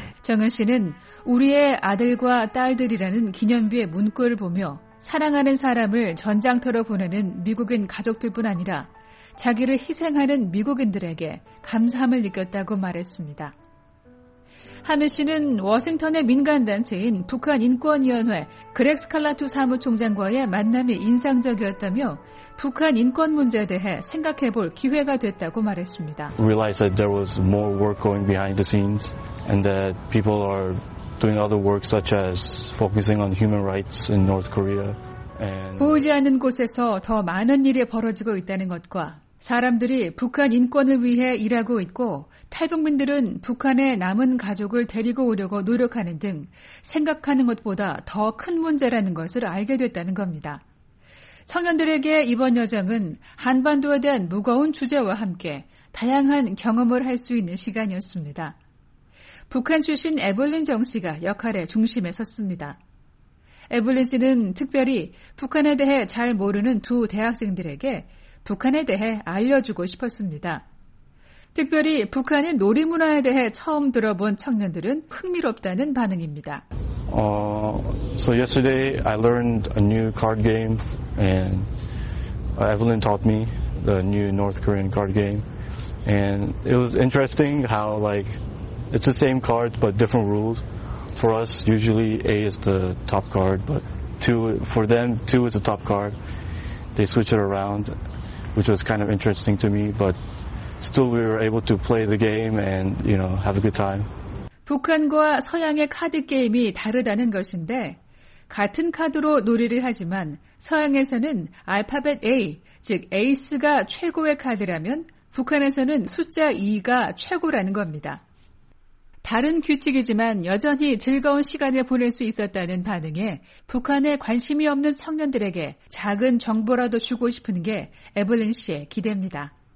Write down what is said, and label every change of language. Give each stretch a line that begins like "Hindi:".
Korean: 정은 씨는 우리의 아들과 딸들이라는 기념비의 문구를 보며 사랑하는 사람을 전장터로 보내는 미국인 가족들뿐 아니라 자기를 희생하는 미국인들에게 감사함을 느꼈다고 말했습니다. 하미 씨는 워싱턴의 민간단체인 북한인권위원회 그렉 스칼라투 사무총장과의 만남이 인상적이었다며 북한 인권 문제에 대해 생각해 볼 기회가 됐다고 말했습니다.
English: Realized that there was more work going behind the scenes and that people are doing other work such as focusing on human rights in North Korea.
Korean: 보이지 않는 곳에서 더 많은 일이 벌어지고 있다는 것과 사람들이 북한 인권을 위해 일하고 있고 탈북민들은 북한의 남은 가족을 데리고 오려고 노력하는 등 생각하는 것보다 더 큰 문제라는 것을 알게 됐다는 겁니다. 청년들에게 이번 여정은 한반도에 대한 무거운 주제와 함께 다양한 경험을 할 수 있는 시간이었습니다. 북한 출신 에블린 정 씨가 역할의 중심에 섰습니다. 에블린 씨는 특별히 북한에 대해 잘 모르는 두 대학생들에게 북한에 대해 알려주고 싶었습니다. 특별히 북한의 놀이문화에 대해 처음 들어본 청년들은 흥미롭다는 반응입니다.
English: So yesterday I learned a new card game and Evelyn taught me the new North Korean card game. And it was interesting how like it's the same cards but different rules. For us usually A is the top card but for them two is the top card. They switch it around. Which was kind of interesting to me, but still we were able to play the game and, you know, have a good time.
Korean: 북한과 서양의 카드 게임이 다르다는 것인데 같은 카드로 놀이를 하지만 서양에서는 알파벳 A, 즉 에이스가 최고의 카드라면 북한에서는 숫자 2가 최고라는 겁니다. 다른 규칙이지만 여전히 즐거운 시간을 보낼 수 있었다는 반응에 북한에 관심이 없는 청년들에게 작은 정보라도 주고 싶은 게 에블린 씨의 기대입니다.